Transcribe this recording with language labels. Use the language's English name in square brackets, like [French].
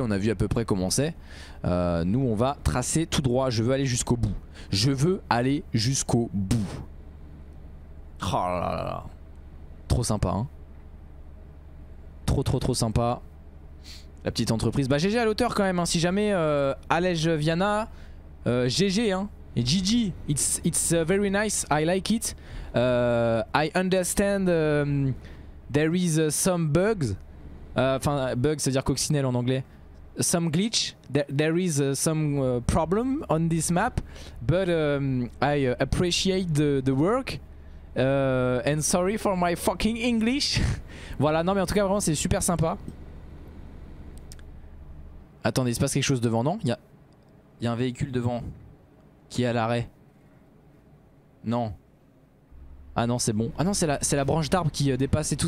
[French] On a vu à peu près comment c'est. Nous, on va tracer tout droit. Je veux aller jusqu'au bout. Je veux aller jusqu'au bout. Oh là là là. Trop sympa, hein. Trop sympa. La petite entreprise. Bah GG à l'auteur quand même, hein. Si jamais allège Viana, GG, hein. [English] Et GG, it's very nice, I like it. I understand there is some bugs. [French] Enfin, bugs, c'est-à-dire coccinelle en anglais. [English] Some glitch, there is some problem on this map. But I appreciate the work. And sorry for my fucking English. [French] Voilà, non mais en tout cas, vraiment, c'est super sympa. Attendez, il se passe quelque chose devant, non? Il y a un véhicule devant. Qui est à l'arrêt. Non. Ah non, c'est bon. Ah non, c'est la branche d'arbre qui dépasse et tout.